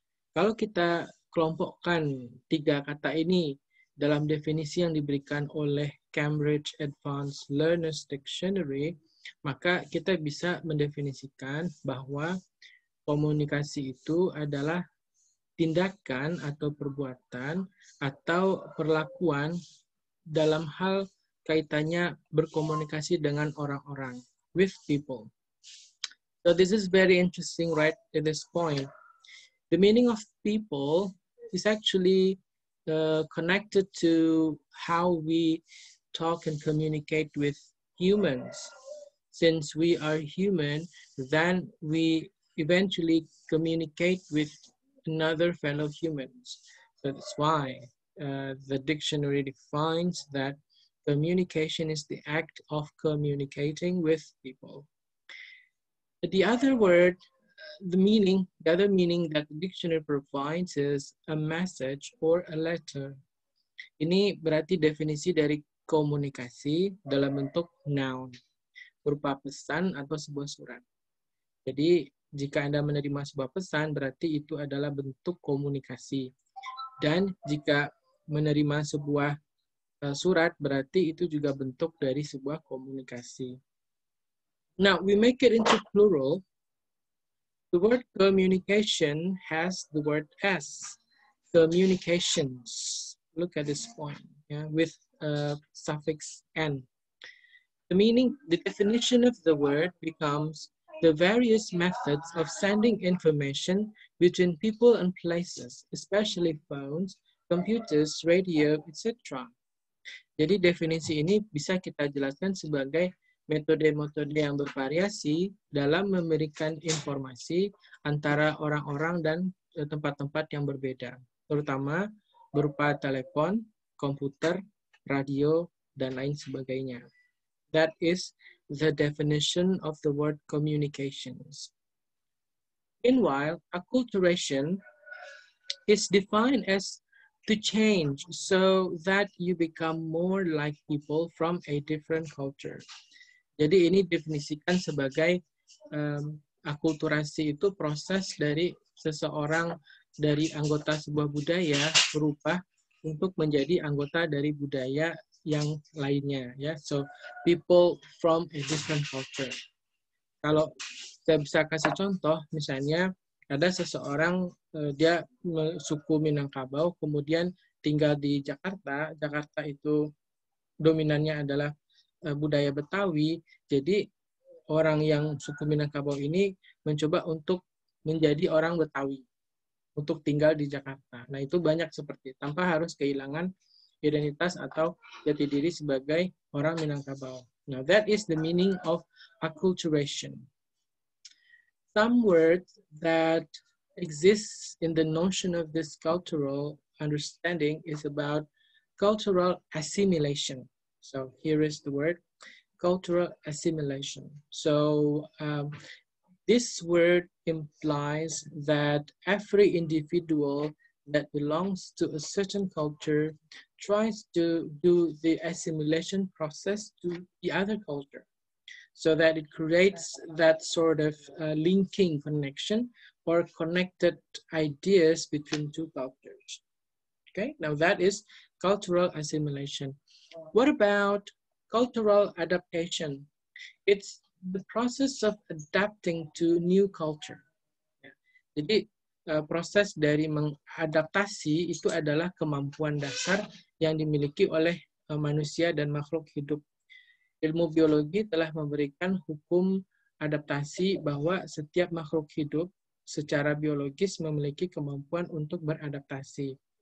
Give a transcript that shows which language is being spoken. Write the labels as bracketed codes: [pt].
[id] Kalau kita kelompokkan tiga kata ini dalam definisi yang diberikan oleh Cambridge Advanced Learner's Dictionary, maka kita bisa mendefinisikan bahwa komunikasi itu adalah tindakan atau perbuatan atau perlakuan dalam hal kaitannya berkomunikasi dengan orang-orang, [en] with people. So this is very interesting right at this point. The meaning of people is actually connected to how we talk and communicate with humans. Since we are human, then we eventually communicate with another fellow humans. So that's why the dictionary defines that communication is the act of communicating with people. The other word, the other meaning that the dictionary provides is a message or a letter. [id] Ini berarti definisi dari komunikasi dalam bentuk noun, berupa pesan atau sebuah surat. Jadi, jika Anda menerima sebuah pesan, berarti itu adalah bentuk komunikasi. Dan jika menerima sebuah surat, berarti itu juga bentuk dari sebuah komunikasi. [en] Now, we make it into plural. The word communication has the word S, communications. Look at this point, yeah, with a suffix N. The meaning, the definition of the word becomes the various methods of sending information between people and places, especially phones, computers, radio, etc. [id] Jadi definisi ini bisa kita jelaskan sebagai metode-metode yang bervariasi dalam memberikan informasi antara orang-orang dan tempat-tempat yang berbeda, terutama berupa telepon, komputer, radio, dan lain sebagainya. [en] That is the definition of the word communications. Meanwhile, acculturation is defined as to change so that you become more like people from a different culture. [id] Jadi ini definisikan sebagai akulturasi itu proses dari seseorang dari anggota sebuah budaya berubah untuk menjadi anggota dari budaya yang lainnya, ya. [en] So people from a different culture. [id] Kalau saya bisa kasih contoh, misalnya ada seseorang dia suku Minangkabau kemudian tinggal di Jakarta. Jakarta itu dominannya adalah budaya Betawi. Jadi orang yang suku Minangkabau ini mencoba untuk menjadi orang Betawi untuk tinggal di Jakarta. Nah, itu banyak seperti tanpa harus kehilangan identitas atau jati diri sebagai orang Minangkabau. [en] Now, that is the meaning of acculturation. Some words that exist in the notion of this cultural understanding is about cultural assimilation. So, here is the word, cultural assimilation. So, this word implies that every individual that belongs to a certain culture tries to do the assimilation process to the other culture so that it creates that sort of linking connection or connected ideas between two cultures. Okay, now that is cultural assimilation. What about cultural adaptation? It's the process of adapting to new culture. [id] Jadi, proses dari mengadaptasi itu adalah kemampuan dasar yang dimiliki oleh manusia dan makhluk hidup. Ilmu biologi telah memberikan hukum adaptasi bahwa setiap makhluk hidup secara biologis memiliki kemampuan untuk beradaptasi.